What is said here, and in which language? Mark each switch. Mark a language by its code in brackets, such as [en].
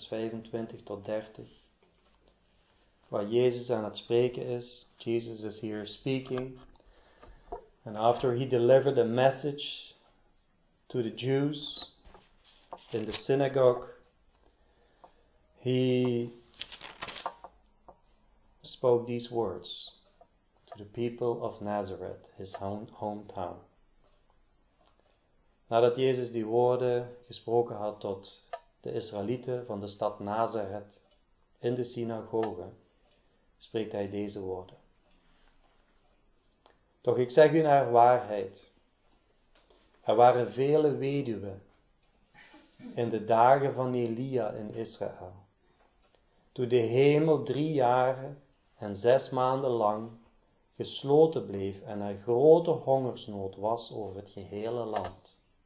[nl] Vers 25 tot 30. Waar Jezus aan het spreken is. [en] Jesus is here speaking. And after he delivered a message to the Jews in the synagogue, he spoke these words to the people of Nazareth, his hometown. [nl] Nadat Jezus die woorden gesproken had tot de Israëlieten van de stad Nazareth in de synagoge, spreekt hij deze woorden. Doch ik zeg u naar waarheid. Er waren vele weduwen in de dagen van Elia in Israël, toen de hemel 3 jaren en 6 maanden lang gesloten bleef en er grote hongersnood was over het gehele land.